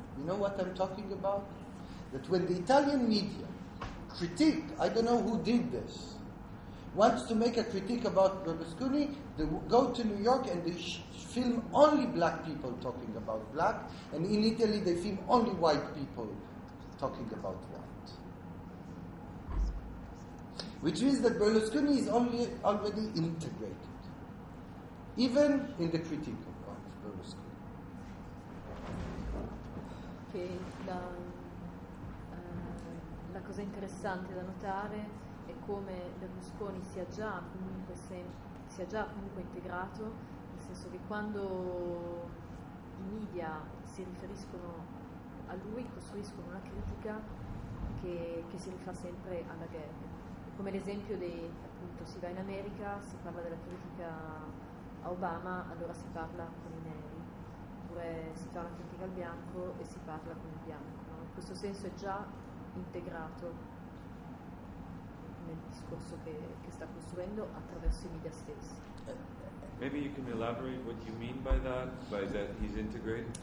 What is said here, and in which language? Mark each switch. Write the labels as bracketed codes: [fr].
[en] You know what I'm talking about? That when the Italian media critique, I don't know who did this, wants to make a critique about Berlusconi, they go to New York and they film only black people talking about black, and in Italy they film only white people talking about white. Which means that Berlusconi is only already integrated, even in the critique of Berlusconi. [it] Che la cosa interessante da notare è come Berlusconi sia già comunque integrato, nel senso che quando i media si riferiscono a lui costruiscono una critica che si rifà sempre alla gag, come l'esempio di appunto si va in America, si parla della critica a Obama, allora si parla con i neri. Oppure si fa una critica al bianco e si parla con il bianco. No? In questo senso è già integrato nel discorso che sta costruendo attraverso i media stessi. [en] Maybe you can elaborate what you mean by that he's integrated?